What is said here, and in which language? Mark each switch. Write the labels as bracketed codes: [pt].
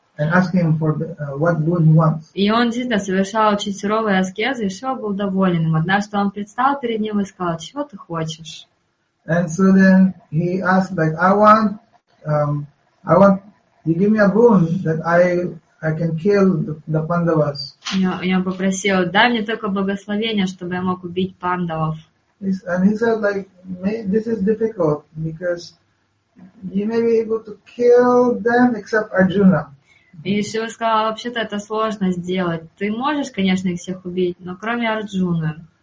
[en] And ask him for what boon he wants. [ru] И он действительно совершал очень суровые аскезы, и Шива был доволен им. Однажды он предстал перед ним и сказал: чего ты хочешь? [en] And so then he asked, I want you give me a boon that I can kill the Pandavas. [ru] Я попросил, дай мне только благословение, чтобы я мог убить пандавов. [en] And he said, this is difficult because you may be able to kill them except Arjuna. [ru] И Шива сказал, вообще-то это сложно сделать. Ты можешь, конечно, их всех убить, но кроме Арджуны.